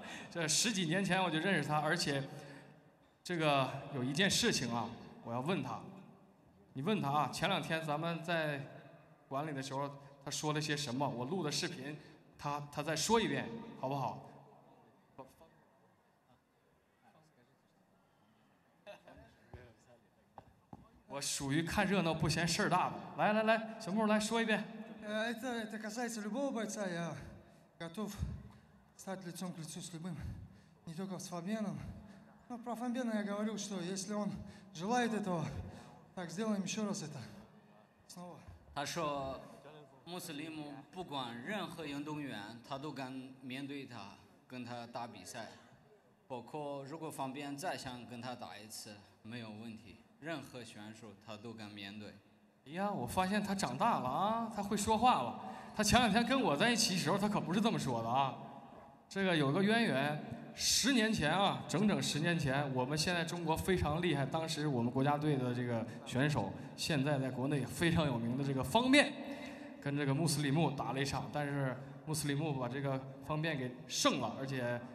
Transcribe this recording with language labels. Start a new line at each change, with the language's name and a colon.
Chinese: 这十几年前我就认识他，而且这个有一件事情啊，我要问他，你问他啊，前两天咱们在管理的时候他说了些什么，我录的视频他再说一遍好不好，我属于看热闹不嫌事大的，来来来，小木来说一遍，
Russian: это касается любого бойца, я готов стать лицом к лицу с любым, не только с Фабианом, но про Фабиана я говорю, что если он желает этого, так сделаем еще раз это снова。
Chinese: 他说穆斯林姆不管任何运动员他都敢面对他跟他打比赛，包括如果方便再想跟他打一次没有问题，任何选手他都敢面对。哎呀，我发现他长大了啊，他会说话了，他前两天跟我在一起的时候他可不是这么说的啊，这个有个渊源，十年前啊，整整十年前，我们现在中国非常厉害，当时我们国家队的这个选手，现在在国内非常有名的这个方便，跟这个穆斯里木打了一场，但是穆斯里木把这个方便给胜了，而且